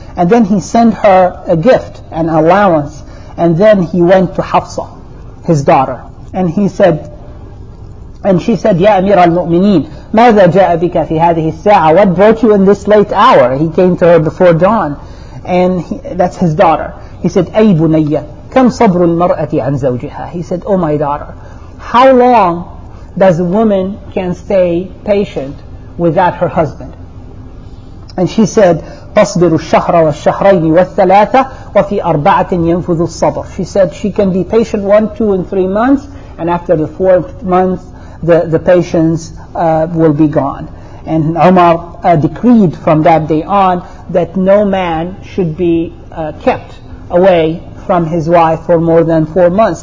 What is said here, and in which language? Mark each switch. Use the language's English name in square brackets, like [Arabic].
[English] And then he sent her a gift, an allowance, and then he went to Hafsa, his daughter. And he said, and she said, [Arabic] Ya Amir al-Mu'mineen, ماذا جاء بك في هذه الساعة? [English] What brought you in this late hour? He came to her before dawn. And that's his daughter. He said, [Arabic] أي بنية, كم صبر المرأة عن زوجها? [English] He said, oh my daughter, how long does a woman can stay patient without her husband? And she said, [Arabic] تصبر الشهر والشهرين والثلاثة وفي أربعة ينفذ الصبر. [English] She said she can be patient 1, 2, and 3 months, and after the 4th month, the patience will be gone. And Umar decreed from that day on that no man should be kept away from his wife for more than 4 months.